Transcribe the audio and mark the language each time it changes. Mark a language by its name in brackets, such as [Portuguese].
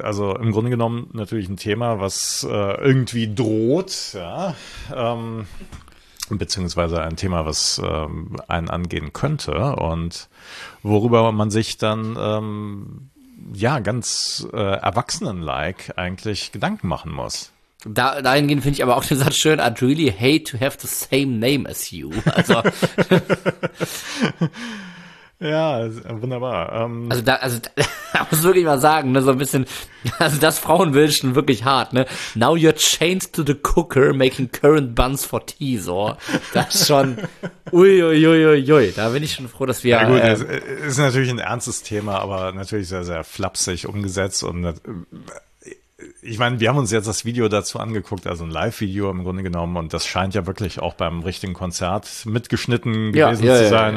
[German] Also im Grunde genommen natürlich ein Thema, was irgendwie droht, ja, beziehungsweise ein Thema, was einen angehen könnte und worüber man sich dann ganz erwachsenen-like eigentlich Gedanken machen muss. Dahingehend finde ich aber auch den Satz schön, [English] I'd really hate to have the same name as you. [German] Also ja, wunderbar. Also da muss wirklich mal sagen, ne, so ein bisschen, also das Frauenbild schon wirklich hart, ne? [English] Now you're chained to the cooker, making currant buns for tea, so. [German] Das schon, uiuiuiuiui, da bin ich schon froh, dass wir... Ja gut, das ist natürlich ein ernstes Thema, aber natürlich sehr, sehr flapsig umgesetzt und... Ich meine, wir haben uns jetzt das Video dazu angeguckt, also ein Live-Video im Grunde genommen, und das scheint ja wirklich auch beim richtigen Konzert mitgeschnitten gewesen zu sein.